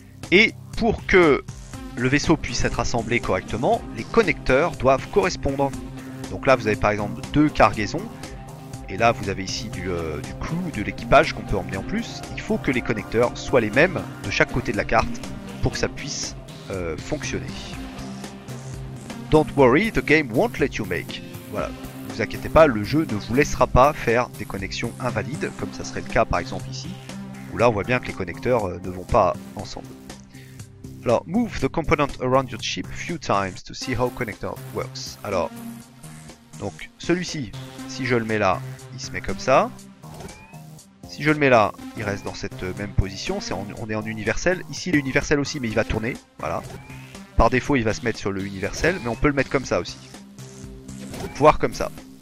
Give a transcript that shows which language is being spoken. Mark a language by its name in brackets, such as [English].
[French] Et pour que le vaisseau puisse être assemblé correctement, les connecteurs doivent correspondre. Donc là, vous avez par exemple deux cargaisons, et là, vous avez ici du crew, de l'équipage qu'on peut emmener en plus. Il faut que les connecteurs soient les mêmes de chaque côté de la carte, pour que ça puisse fonctionner. [English] Don't worry, the game won't let you make. [French] Voilà, ne vous inquiétez pas, le jeu ne vous laissera pas faire des connexions invalides, comme ça serait le cas par exemple ici, où là on voit bien que les connecteurs ne vont pas ensemble. [English] Alors, move the component around your ship a few times to see how connector works. [French] Alors, donc celui-ci, si je le mets là, il se met comme ça. Si je le mets là, il reste dans cette même position, on est en universel. Ici, il est universel aussi, mais il va tourner, voilà. Par défaut, il va se mettre sur le universel, mais on peut le mettre comme ça aussi. Voire comme ça.